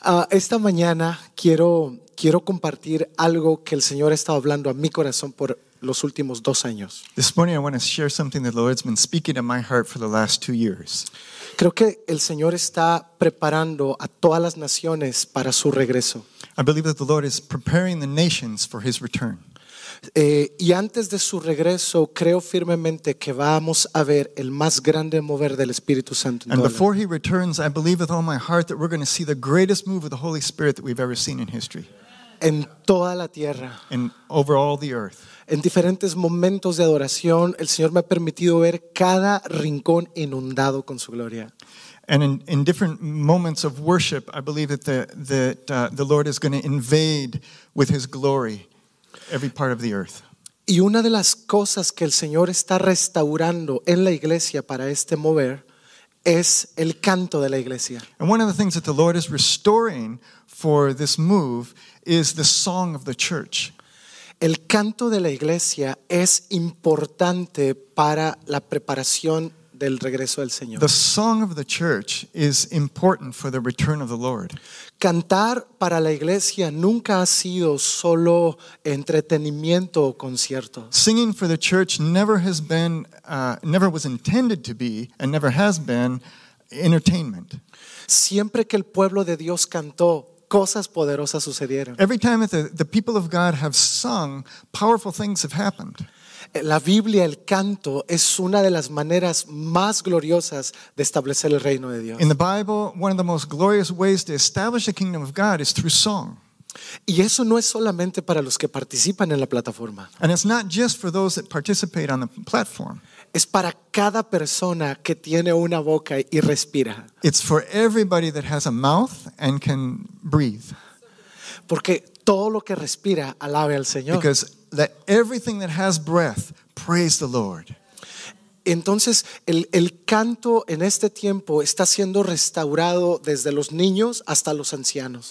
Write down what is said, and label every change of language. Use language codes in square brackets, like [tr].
[es] Esta mañana quiero compartir algo que el Señor ha estado hablando a mi corazón por los últimos dos años. [en] This morning I want to share something that the Lord's been speaking in my heart for the last 2 years. [es] Creo que el Señor está preparando a todas las naciones para su regreso. [en] I believe that the Lord is preparing the nations for his return. [es] Y antes de su regreso, creo firmemente que vamos a ver el más grande mover del Espíritu Santo. [en] And before he returns, I believe with all my heart that we're going to see the greatest move of the Holy Spirit that we've ever seen in history. [es] En toda la tierra. [en] And over all the earth. [es] En diferentes momentos de adoración, el Señor me ha permitido ver cada rincón inundado con su gloria. [en] And in different moments of worship, I believe that the Lord is going to invade with his glory every part of the earth. [es] Y una de las cosas que el Señor está restaurando en la iglesia para este mover es el canto de la iglesia. [en] And one of the things that the Lord is restoring for this move is the song of the church. [es] El canto de la iglesia es importante para la preparación del regreso del Señor. [en] The song of the church is important for the return of the Lord. [es] Cantar para la iglesia nunca ha sido solo entretenimiento o concierto. [en] Singing for the church never has been entertainment. [es] Siempre que el pueblo de Dios cantó, cosas poderosas sucedieron. [en] Every time that the people of God have sung, powerful things have happened. [es] La Biblia, el canto, es una de las maneras más gloriosas de establecer el reino de Dios. [en] In the Bible, one of the most glorious ways to establish the kingdom of God is through song. [es] Y eso no es solamente para los que participan en la plataforma. [en] And it's not just for those that participate on the platform. [es] Es para cada persona que tiene una boca y respira. [en] It's for everybody that has a mouth and can breathe. [es] Porque todo lo que respira alabe al Señor. [en] Because that everything that has breath, praise the Lord. [es] Entonces, el canto en este tiempo está siendo restaurado desde los niños hasta los ancianos.